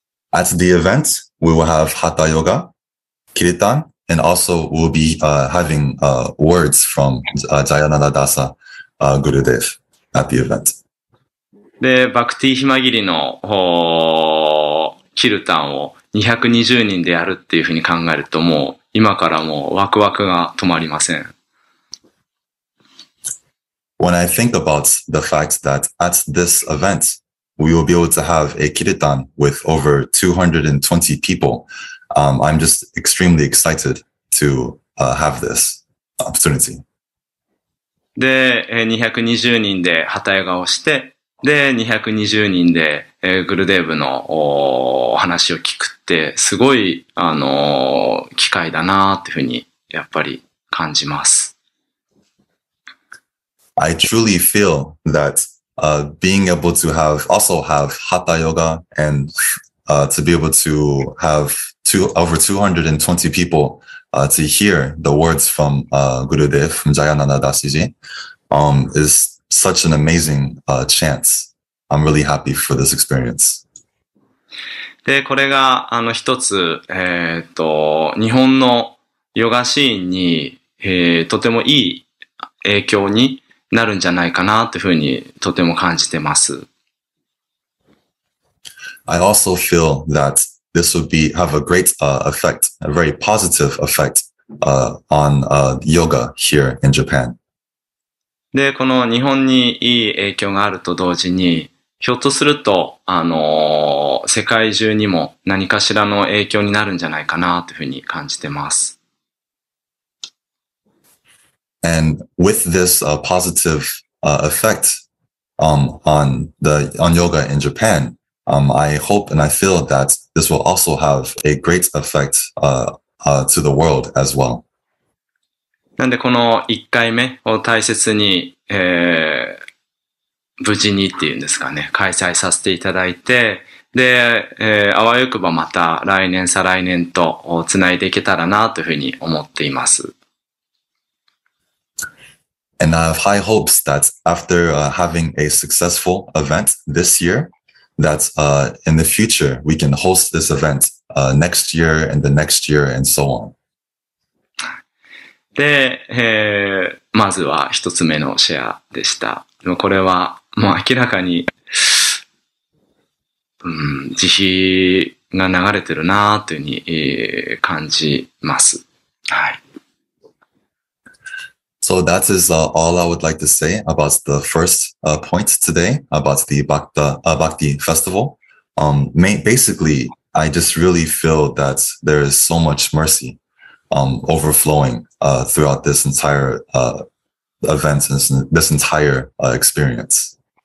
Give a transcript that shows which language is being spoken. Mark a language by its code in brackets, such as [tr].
[en] At the event, we will have ハタヨガ、キルタン、and also we'll be, having, words from, ジャイナンダ・ダサ、グルデーブ at the event. [ja] で、バクティヒマギリの、キルタンを220人でやるっていうふうに考えると、もう今からもうワクワクが止まりません。 [en] When I think about the fact that at this event, we will be able to have a kirtan with over 220 people,、I'm just extremely excited to、have this opportunity. [ja] で、220人でハタヨガをして、で、220人で、グルデーブの、話を聞くって、すごい、機会だなっていうふうに、やっぱり感じます。 [en] I truly feel that, being able to have, also have Hatha Yoga and, to be able to have over 220 people, to hear the words from, グルデーブ、from Jayananda Dasiji, is,such an amazing, chance. I'm really happy for this experience. [ja] で、これが、一つ、日本のヨガシーンに、とてもいい影響になるんじゃないかな、というふうに、とても感じてます。 [en] I also feel that this would be, have a great, effect, a very positive effect, on, yoga here in Japan. [ja] で、この日本にいい影響があると同時に、ひょっとすると、世界中にも何かしらの影響になるんじゃないかな、というふうに感じてます。 [en] And with this, positive, effect, on yoga in Japan, I hope and I feel that this will also have a great effect, to the world as well. [ja] なんでこの1回目を大切に、無事にっていうんですかね、開催させていただいて、で、あわよくばまた来年再来年とつないでいけたらなというふうに思っています。 [en] And I have high hopes that after, having a successful event this year, that, in the future we can host this event, next year and the next year and so on. [ja] で、まずは一つ目のシェアでした。でもこれは、もう明らかに、慈悲が流れてるなぁというふうに、感じます。はい。 [en] So that is, all I would like to say about the first, point today about the Bhakta, Bhakti festival. Basically, I just really feel that there is so much mercy. overflowing throughout this entire event and this entire experience.